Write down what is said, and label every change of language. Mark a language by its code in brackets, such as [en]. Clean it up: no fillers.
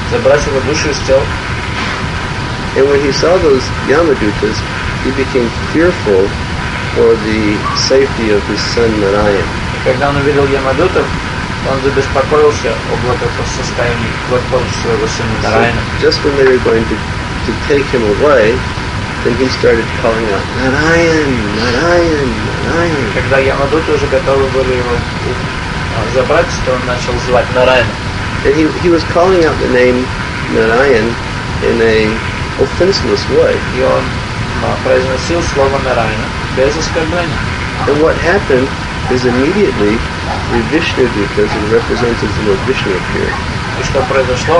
[en] And when he saw those Yamadutas, he became fearful for the safety of his son Narayan. [ru] Когда он увидел Ямадутов, он забеспокоился о благополучии своего сына Нараяна. [en] So just when they were going to take him away, then he started calling out, Нараян, Нараян, Нараян. [ru] Когда Ямадуты уже готовы были его забрать, то он начал звать Нараяна. [en] And he was calling out the name Нараян in a offenseless way. [ru] И он произносил слово Нараяна без оскорбления. [en] And what happened? Is immediately the Vishnu Dutas and representatives of Lord Vishnu appeared.